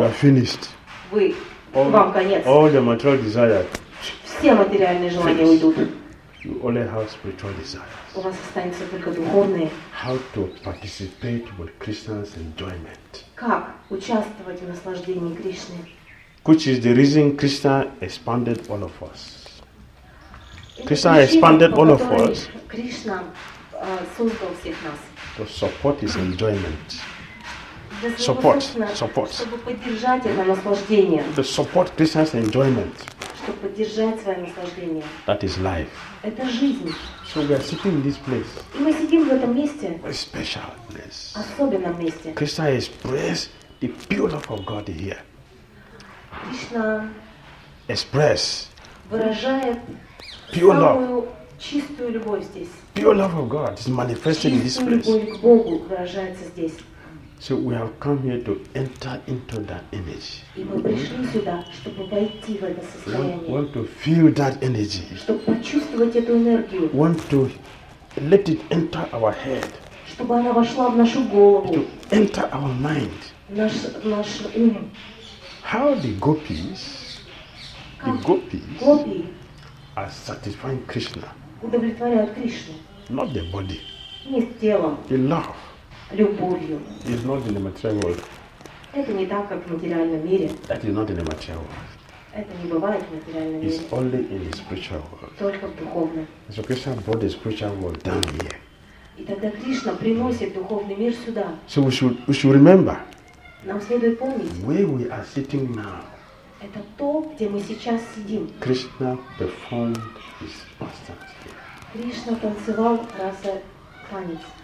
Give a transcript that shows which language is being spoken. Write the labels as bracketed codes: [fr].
[en] you are finished. [ru] Вам конец. [en] All the material desires, [ru] все материальные желания уйдут. [en] You only have spiritual desires. [ru] У вас останется только духовные. [en] How to participate with Krishna's enjoyment? [ru] Как участвовать в наслаждении Кришны? [en] Which is the reason Krishna expanded all of us? Krishna expanded all of us. [ru] Кришна создал всех нас. [en] To support his enjoyment. Support. [ru] Чтобы поддержать это наслаждение. [en] To support Krishna's enjoyment. [ru] Чтобы поддержать свое наслаждение. [en] That is life. [ru] Это жизнь. [en] So we are sitting in this place. [ru] И мы сидим в этом месте. [en] A special place. [ru] Особенном месте. [en] Krishna expresses the pure love of God here. [ru] Кришна [en] express [ru] выражает [en] pure love. [ru] Чистую любовь здесь. [en] Pure love of God is manifested in this place. [ru] Чистую любовь к Богу выражается здесь. [en] So we have come here to enter into that energy. [ru] И мы пришли сюда, чтобы войти в это состояние. [en] Want to feel that energy. [ru] Чтобы почувствовать эту энергию. [en] Want to let it enter our head. [ru] Чтобы она вошла в нашу голову. [en] To enter our mind. [ru] Наш ум. [en] How the gopis gopi are satisfying Krishna. [ru] Удовлетворяют Кришну. [en] Not the body. [ru] Не с телом. [en] The love. [ru] Любовью. [en] It's not in the material world. [ru] Это не так, как в материальном мире. [en] That is not in the material world. It's only in the spiritual world. [ru] Только в духовном. [en] So Krishna brought the spiritual world down here. [ru] И тогда Кришна приносит духовный мир сюда. [en] So we should remember. [ru] Нам следует помнить. [en] Where we are sitting now. [ru] Это то, где мы сейчас сидим. [en] Krishna performed his pastimes here. [ru] Кришна танцевал раса танец.